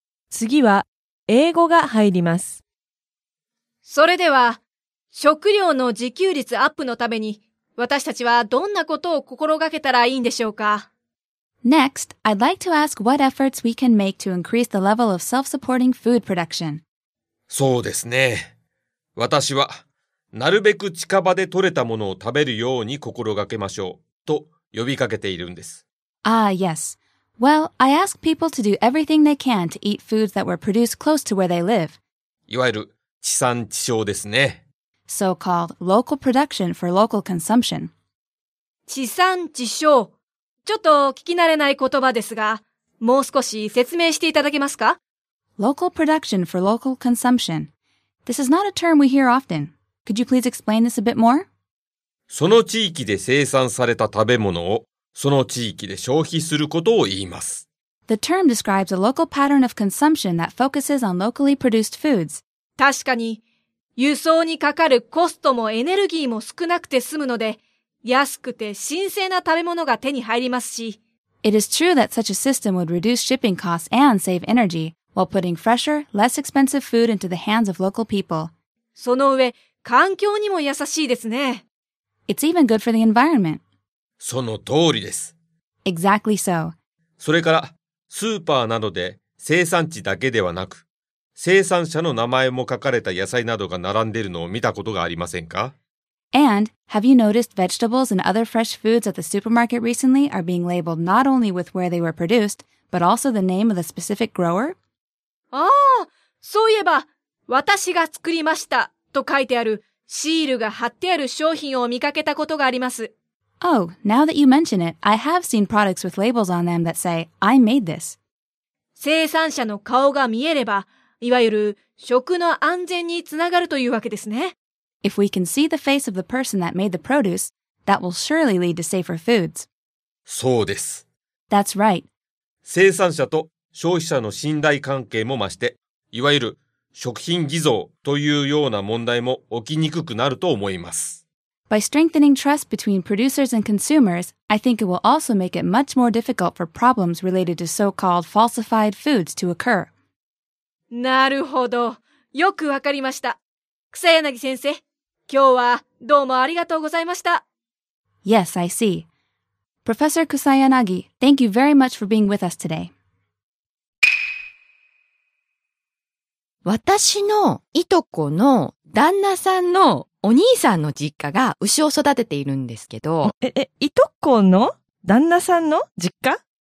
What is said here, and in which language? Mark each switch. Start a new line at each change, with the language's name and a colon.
Japanese: 次は英語が入ります。それでは、食料の自給率アップのために、私たちはどんなことを心がけたらいいんでしょうか？
English: Next, I'd like to ask what efforts we can make to increase the level of self-supporting food production.
Japanese: そうですね。私は、なるべく近場で採れたものを食べるように心がけましょう、と呼びかけているんです。
English: Ah, yes. Well, I ask people to do everything they can to eat foods that were produced close to where they live.
Japanese: いわゆる地産地消ですね。
English: So-called local production for local consumption.
Japanese: 地産地消。ちょっと聞き慣れない言葉ですが、もう少し説明していただけますか？
English: Local production for local consumption. This is not a term we hear often. Could you please explain this a bit more?
Japanese: その地域で生産された食べ物をその地域で消費することを言います。
English: The term describes a local pattern of consumption that focuses on locally produced foods.
Japanese: 確かに、輸送にかかるコストもエネルギーも少なくて済むので、安くて新鮮な食べ物が手に入りますし。
English: It is true that such a system would reduce shipping costs and save energy, while putting fresher, less expensive food into the hands of local people.
Japanese: その上、環境にも優しいですね。
English: It's even good for the environment.
Japanese: その通りです。
English: Exactly so.
Japanese: それから、スーパーなどで生産地だけではなく、生産者の名前も書かれた野菜などが並んでいるのを見たことがありませんか？
English: And, have you noticed vegetables and other fresh foods at the supermarket recently are being labeled not only with where they were produced, but also the name of the specific grower?
Japanese: ああ、そういえば、私が作りましたと書いてあるシールが貼ってある商品を見かけたことがあります。
English: Oh, now that you mention it, I have seen products with labels on them that say, I made this.
Japanese: 生産者の顔が見えれば、いわゆる食の安全につながるというわけですね。
English: If we can see the face of the person that made the produce, that will surely lead to safer foods.
Japanese: そうです。
English: That's right.
Japanese: 生産者と消費者の信頼関係も増して、いわゆる食品偽造というような問題も起きにくくなると思います。
English: By strengthening trust between producers and consumers, I think it will also make it much more difficult for problems related to so-called falsified foods to occur.
Japanese: なるほど。よくわかりました。草柳先生、今日はどうもありがとうございました。
English: Yes, I see. Professor Kusayanagi, thank you very much for being with us today.
Japanese: 私のいとこの旦那さんのお兄さんの実家が牛を育てているんですけど。いとこの旦那さんの実家？